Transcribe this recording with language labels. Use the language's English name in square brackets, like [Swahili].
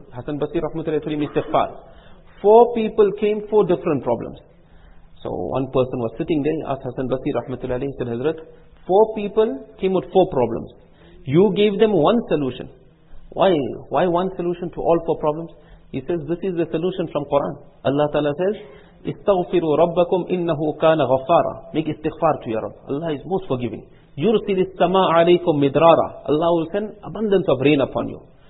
[English] Hassan Basri rahmatullahi alayhi told him, istighfar. Four people came, four different problems. So one person was sitting there, asked Hassan Basri rahmatullahi alayhi, said, Hazrat, four people came with four problems. You gave them one solution. Why? Why one solution to all four problems? He says, this is the solution from Quran. Allah Ta'ala says, [Arabic] استغفروا ربكم إنه كان غفارا. [English] Make istighfar to your Rabb. Allah is most forgiving. [Arabic] يرسل السماء عليكم مدرارا. [English] Allah will send abundance of rain upon you.